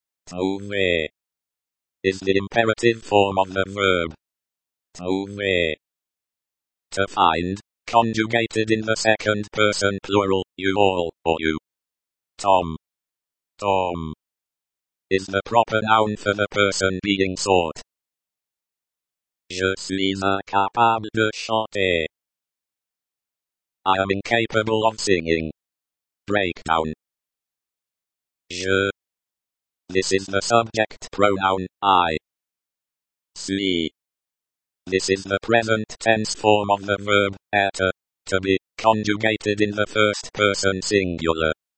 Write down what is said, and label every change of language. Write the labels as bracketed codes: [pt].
[en] Trouver is the imperative form of the verb. Trouver. To find, conjugated in the second person plural, you all, or you. Tom. Tom is the proper noun for the person being sought. [fr] Je suis incapable de chanter. [en] I am incapable of singing. Breakdown. Je. This is the subject pronoun, I. Suis. This is the present tense form of the verb, être, to be, conjugated in the first person singular.